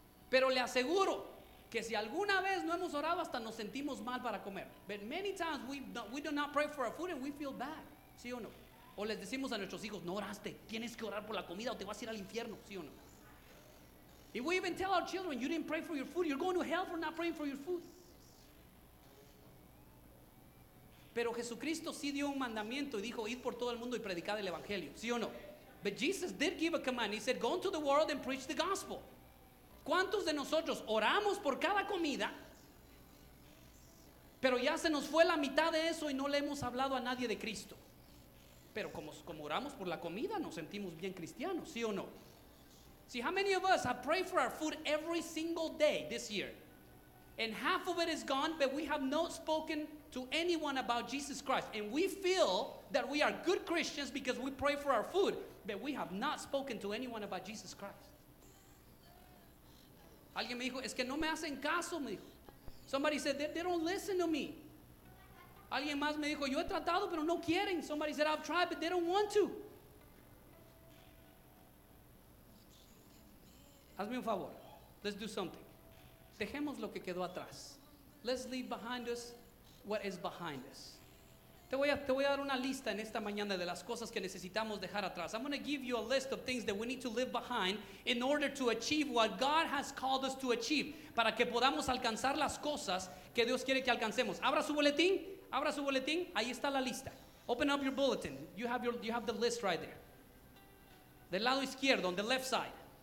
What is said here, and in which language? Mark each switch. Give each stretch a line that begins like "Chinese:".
Spanish: Pero le aseguro que si alguna vez no hemos orado, hasta nos sentimos mal para comer.
English: But many times we do not pray for our food and we feel bad.
Spanish: ¿Sí o no? O les decimos a nuestros hijos, no oraste, tienes que orar por la comida o te vas a ir al infierno, ¿sí o no?
English: If we even tell our children, you didn't pray for your food, you're going to hell for not praying for your food.
Spanish: Pero Jesucristo sí dio un mandamiento y dijo, id por todo el mundo y predicad el evangelio, ¿sí o no?
English: But Jesus did give a command. He said, go into the world and preach the gospel.
Spanish: ¿Cuántos de nosotros oramos por cada comida, pero ya se nos fue la mitad de eso y no le hemos hablado a nadie de Cristo? Pero como oramos por la comida, nos sentimos bien cristianos, ¿sí o no?
English: See, how many of us have prayed for our food every single day this year? And half of it is gone, but we have not spoken to anyone about Jesus Christ. And we feel that we are good Christians because we pray for our food, but we have not spoken to anyone about Jesus Christ.
Spanish: Alguien me dijo, es que no me hacen caso, me dijo.
English: Somebody said, they don't listen to me.
Spanish: Alguien más me dijo, yo he tratado, pero no quieren.
English: Somebody said, I've tried, but they don't want to.
Spanish: Hazme un favor.
English: Let's do something.
Spanish: Dejemos lo que quedó atrás.
English: Let's leave behind us what is behind us.
Spanish: Te voy a dar una lista en esta mañana de las cosas que necesitamos dejar atrás.
English: I'm going to give you a list of things that we need to leave behind in order to achieve what God has called us to achieve.
Spanish: Para que podamos alcanzar las cosas que Dios quiere que alcancemos. Abra su boletín. Ahí está la lista.
English: Open up your bulletin. You have the list right there.
Spanish: Del lado izquierdo,
English: on the left side.